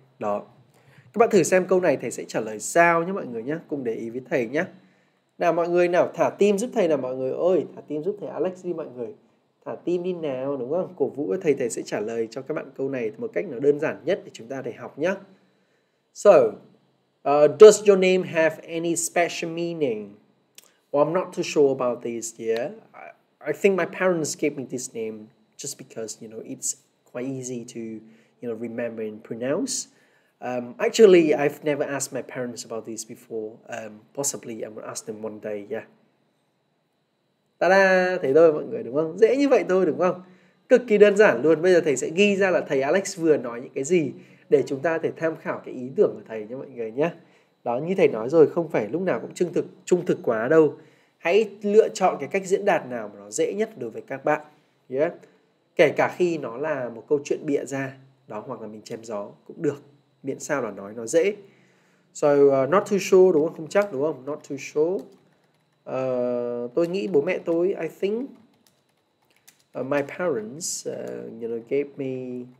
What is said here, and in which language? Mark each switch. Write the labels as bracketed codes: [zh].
[vi] Đó, các bạn thử xem câu này thầy sẽ trả lời sao nhé mọi người nhé, cùng để ý với thầy nhé. Nào mọi người nào, thả tim giúp thầy nào mọi người ơi, thả tim giúp thầy Alex đi mọi người, thả tim đi nào đúng không, cổ vũ thầy. Thầy sẽ trả lời cho các bạn câu này một cách nó đơn giản nhất để chúng ta để học nhé. [en] So, does your name have any special meaning? Well, I'm not too sure about this, yeah. I think my parents gave me this name just because, you know, it's quite easy to, you know, remember and pronounce. Actually, I've never asked my parents about this before. Possibly, I'm gonna ask them one day, yeah. Ta-da! [vi] Thế thôi mọi người, đúng không? Dễ như vậy thôi, đúng không? Cực kỳ đơn giản luôn. Bây giờ thầy sẽ ghi ra là thầy Alex vừa nói những cái gì, để chúng ta có thể tham khảo cái ý tưởng của thầy nha mọi người nhé. Đó, như thầy nói rồi, không phải lúc nào cũng trung thực quá đâu. Hãy lựa chọn cái cách diễn đạt nào mà nó dễ nhất đối với các bạn. Yeah. Kể cả khi nó là một câu chuyện bịa ra, đó, hoặc là mình chém gió cũng được. Miễn sao là nói nó dễ. [en] So, not too sure [vi] đúng không? Không chắc đúng không? [en] Not too sure. [vi] Tôi nghĩ bố mẹ tôi, [en] I think my parents you know, gave me...